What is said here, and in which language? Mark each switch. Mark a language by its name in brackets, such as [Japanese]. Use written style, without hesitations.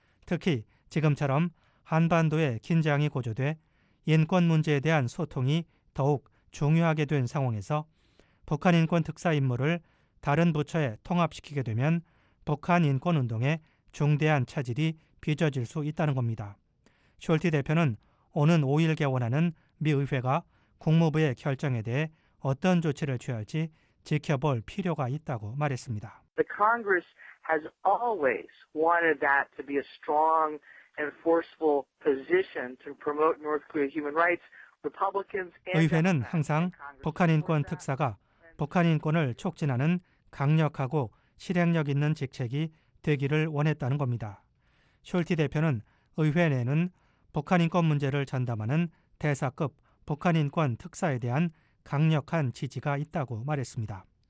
[Korean] 특히 지금처럼 한반도의 긴장이 고조돼 인권 문제에 대한 소통이 더욱 중요하게 된 상황에서 북한 인권 특사 임무를 다른 부처에 통합시키게 되면 북한 인권 운동에 중대한 차질이 빚어질 수 있다는 겁니다. 숄티 대표는 오는 5일 개원하는 미 의회가 국무부의 결정에 대해 어떤 조치를 취할지 지켜볼 필요가 있다고 말했습니다. [English] The Congress has always wanted that to be a strong and forceful position to promote North Korea human rights. Republicans and [Korean] 의회는 항상 북한 인권 특사가 북한 인권을 촉진하는 강력하고 실행력 있는 직책이 되기를 원했다는 겁니다. 숄티 대표는 의회 내에는 북한 인권 문제를 전담하는 대사급 북한 인권 특사에 대한 강력한 지지가 있다고 말했습니다.